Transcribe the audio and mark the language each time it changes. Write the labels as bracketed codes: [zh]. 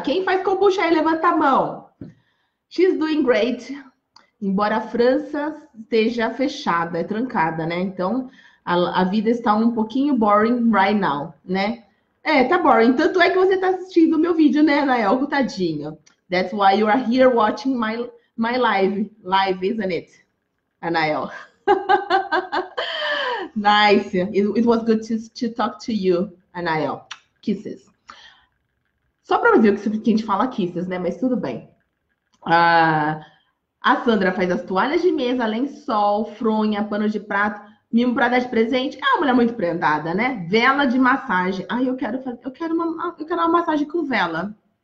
[pt] Quem faz kombucha aí, levanta a mão. [en] She's doing great. [pt] Embora a França esteja fechada, é trancada, né? Então a vida está um pouquinho [en] boring right now, [pt] né? É, tá boring. Tanto é que você está assistindo o meu vídeo, né, Nael? Tadinho. [en] That's why you are here watching my live, isn't it, Nael? Nice. It was good to talk to you, Nael. Kisses. [pt] Só para ver o que a gente fala kisses, né? Mas tudo bem. A Sandra faz as toalhas de mesa, lençol, fronha, pano de prato, mimo para dar de presente. É uma mulher muito prendada, né? Vela de massagem. Ai, eu quero fazer, eu quero uma massagem com vela.